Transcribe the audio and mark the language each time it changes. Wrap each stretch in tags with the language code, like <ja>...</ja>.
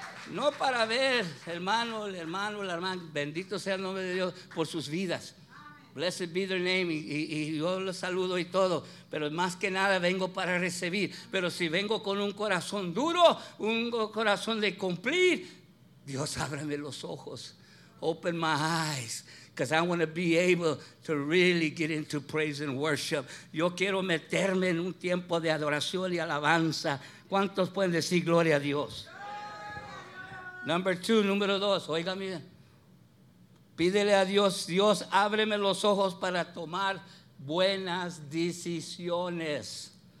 <es>No para ver, hermano, el hermano, la hermana, bendito sea el nombre de Dios por sus vidas.</es> <en>Blessed be their name,</en> <es>y yo los saludo y todo, pero más que nada vengo para recibir. Pero si vengo con un corazón duro, un corazón de cumplir, Dios, ábreme los ojos.</es> <en>Open my eyes, because I want to be able to really get into praise and worship.</en> <es>Yo quiero meterme en un tiempo de adoración y alabanza. ¿Cuántos pueden decir gloria a Dios?</es> <en>Number two,</en> <es>número dos, oiga bien. Pídele a Dios, Dios, ábreme los ojos para tomar buenas decisiones.</es>